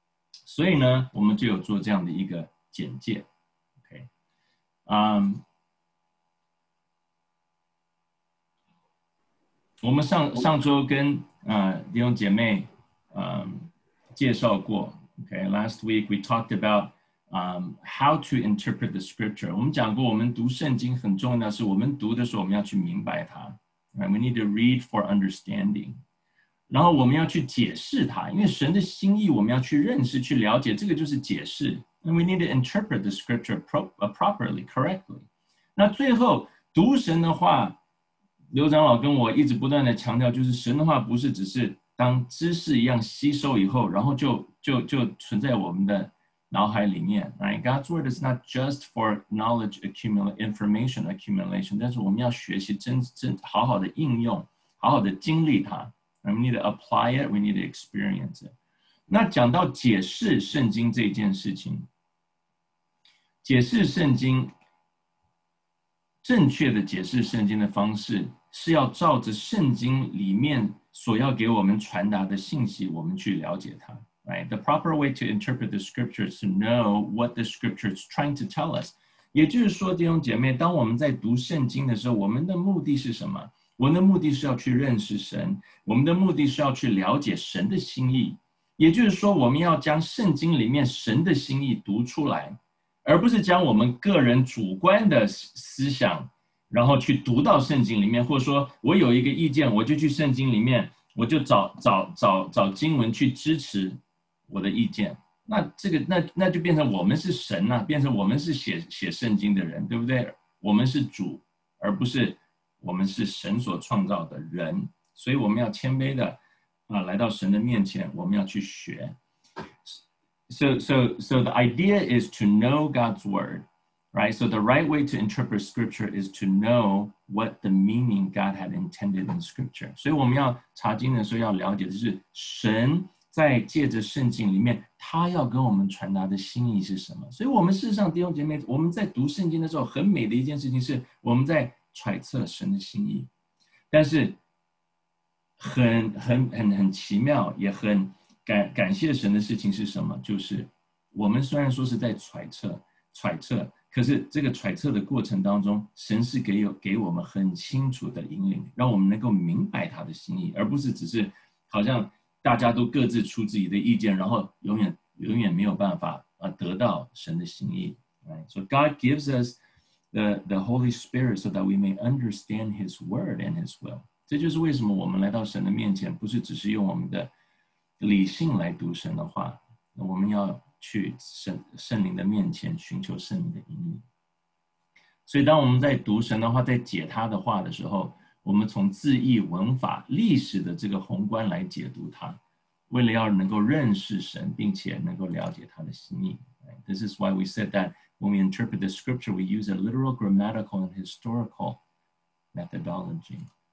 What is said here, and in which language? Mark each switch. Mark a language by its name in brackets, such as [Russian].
[Chinese] 所以呢，我们就有做这样的一个简介。我们上周跟弟兄姐妹介绍过。 [English] Last week we talked about how to interpret the scripture。 [Chinese] 我们讲过，我们读圣经很重要的是，我们读的时候我们要去明白它。 [English] Right, we need to read for understanding。 [Chinese] 然后我们要去解释它，因为神的心意我们要去认识、去了解，这个就是解释。 [English] And we need to interpret the scripture properly, correctly。 [Chinese] 那最后读神的话，刘长老跟我一直不断的强调，就是神的话不是只是当知识一样吸收以后，然后就存在我们的脑海里面。 [English] Right, God's word is not just for knowledge information accumulation。 [Chinese] 但是我们要学习真好好的应用，好好的经历它。 [English] We need to apply it, we need to experience it。 [Chinese] 那讲到解释圣经这件事情。解释圣经，正确的解释圣经的方式，是要照着圣经里面所要给我们传达的信息，我们去了解它。 [English] Right? The proper way to interpret the scripture is to know what the scripture is trying to tell us。 [Chinese] 也就是说，弟兄姐妹，当我们在读圣经的时候，我们的目的是什么？我们的目的是要去认识神，我们的目的是要去了解神的心意。也就是说我们要将圣经里面神的心意读出来，而不是将我们个人主观的思想然后去读到圣经里面，或者说我有一个意见我就去圣经里面，我就 找经文去支持我的意见。那这个 那就变成我们是神啊，变成我们是 写圣经的人，对不对？我们是主，而不是我们是神所创造的人。所以我们要谦卑的啊，来到神的面前，我们要去学。 [English] So the idea is to know God's word, right? So the right way to interpret scripture is to know what the meaning God had intended in scripture. [Chinese] 所以我们要查经的时候要了解的是神在借着圣经里面他要跟我们传达的心意是什么。所以我们事实上弟兄姐妹，我们在读圣经的时候很美的一件事情是我们在揣测神的心意，但是很奇妙也很 感谢神的事情是什么，就是我们虽然说是在揣测，可是这个揣测的过程当中神是 给我们很清楚的引领，让我们能够明白他的心意，而不是只是好像大家都各自出自己的意见，然后永远没有办法得到神的心意。 [English] Right? So God gives us the Holy Spirit so that we may understand his word and his will. [Chinese] 这就是为什么我们来到神的面前不是只是用我们的理性来读神的话，我们要去 圣灵的面前寻求圣灵的引领。所以当我们在读神的话，在解他的话的时候，我们从字义文法历史的这个宏观来解读它，为了要能够认识神并且能够了解他的心意。 [English] This is why we said that when we interpret the scripture we use a literal grammatical and historical methodology.